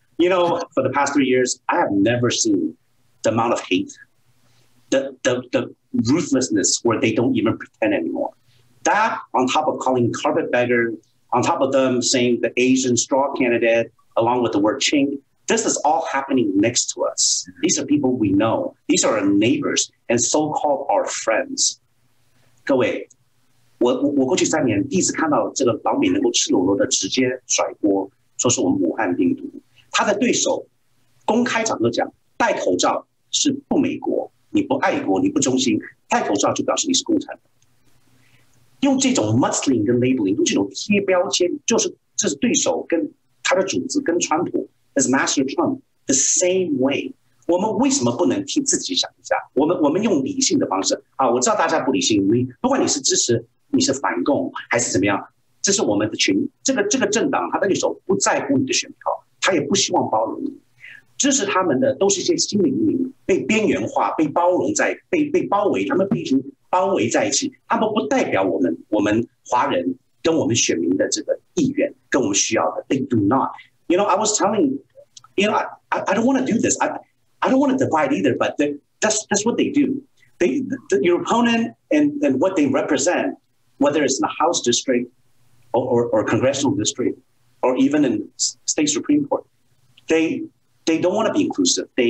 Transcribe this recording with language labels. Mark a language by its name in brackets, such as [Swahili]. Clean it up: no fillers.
[English] You know, for the past 3 years, I have never seen the amount of hate, the ruthlessness where they don't even pretend anymore. That, on top of calling carpetbagger, on top of them saying the Asian straw candidate, along with the word chink, this is all happening next to us. These are people we know. These are our neighbors and so-called our friends. [Chinese] 各位，我过去三年第一次看到这个老美能够赤裸裸的直接甩锅，说是我们武汉病毒。他的对手公开场合讲，戴口罩是不美国，你不爱国，你不忠心，戴口罩就表示你是共产党。用这种 muscling 跟 labeling， 用这种贴标签，就是这是对手跟他的组织跟川普 [English] as Master Trump the same way。 [Chinese] 我们为什么不能替自己想一下？我们用理性的方式啊，我知道大家不理性，你不管你是支持，你是反共还是怎么样，这是我们的群，这个政党，他的对手不在乎你的选票，他也不希望包容你。支持他们的都是一些新的移民，被边缘化，被包容在，被包围，他们被人包围在一起，他们不代表我们华人跟我们选民的这个意愿，跟我们需要的。 [English] They do not. You know, I was telling, you know, I don't want to do this. I don't want to divide either, but that's what they do. Your opponent and what they represent, whether it's in the House district or congressional district, or even in state Supreme Court, they don't want to be inclusive.